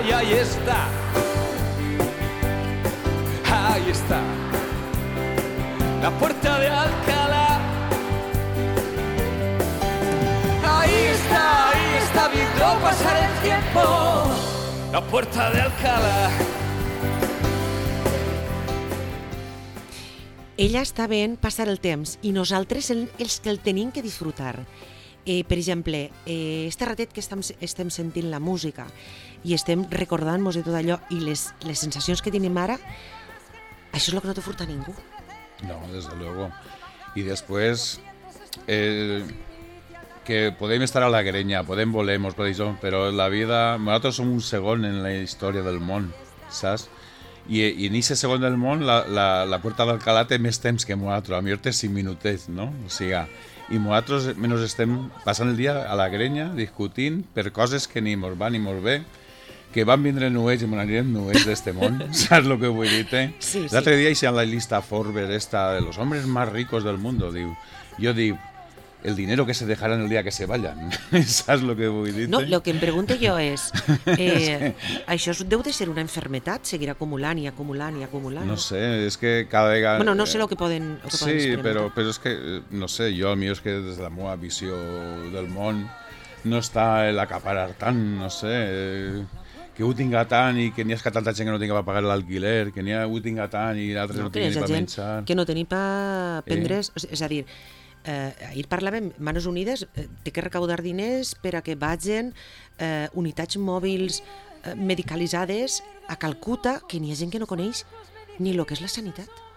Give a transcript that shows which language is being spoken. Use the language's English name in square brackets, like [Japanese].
[Spanish] Y ahí está, ahí está la puerta de Alcalá. Ahí está viendo pasar el tiempo, la puerta de Alcalá. [Catalan] Ella està ben passar el temps i nosaltres els que el tenim que disfrutar. Per exemple, este ratet que estem sentint la música i estem recordant-nos de tot allò i les sensacions que tenim ara, això és el que no te furta ningú. No, des de luego. I després, que podem estar a la grenya, podem voler, però la vida, nosaltres som un segon en la història del món, saps? I en aquest segon del món la Puerta d'Alcalá té més temps que nosaltres, a millor té 5 minutets, no? O sigui, i nosaltres menys estem passant el dia a la grenya discutint per coses que ni mos van ni mos ve, que van vindre nuets i mos anirem nuets d'este món, saps el que vull dir? Sí. L'altre dia hi ha la llista Forbes, [Spanish] esta de los hombres más ricos del mundo, [Catalan] diu. Jo dic, [Spanish] el dinero que se dejarán el día que se vayan. ¿Sabes lo que voy a decir? No, lo que me pregunto yo es... [Catalan] ¿això deu de ser [Spanish] una enfermedad? [Catalan] ¿Seguir acumulant i acumulant i acumulant? [Spanish] No sé, es que cada vez... Bueno, no sé lo que pueden... Sí, pero es que, no sé, yo a mí es que desde [Catalan] la meva visió del món [Spanish] no está el acaparar tant, no sé... [Catalan] que ho tinga tant i que n'hi ha que tanta gent que no tinga per pagar l'alquiler, que n'hi ha que ho tinga tant i altres no tinguin ni per menjar... Que no tenim per prendre... És a dir... ahir parlàvem, Manos Unides té que recaudar diners per a que vagin unitats mòbils medicalitzades a Calcuta, que n'hi ha gent que no coneix ni el que és la sanitat.